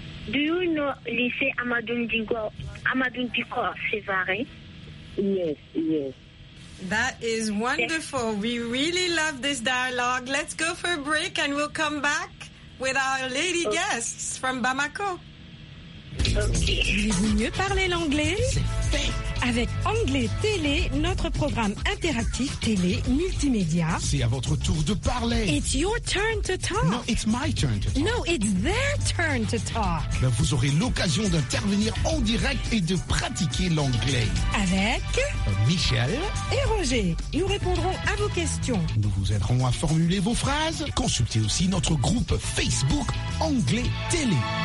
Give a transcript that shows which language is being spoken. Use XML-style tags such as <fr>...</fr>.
<en>Do you know Lycée Amadou Diko Sevare? Yes. That is wonderful. Yes. We really love this dialogue. Let's go for a break and we'll come back with our lady guests from Bamako. Okay.</en> <fr>Voulez-vous mieux parler l'anglais? Avec Anglais Télé, notre programme interactif télé multimédia. C'est à votre tour de parler.</fr> <en>It's your turn to talk. No, it's my turn to talk. No, it's their turn to talk.</en> <fr>Là, vous aurez l'occasion d'intervenir en direct et de pratiquer l'anglais. Avec Michel et Roger. Nous répondrons à vos questions. Nous vous aiderons à formuler vos phrases. Consultez aussi notre groupe Facebook Anglais Télé.</fr>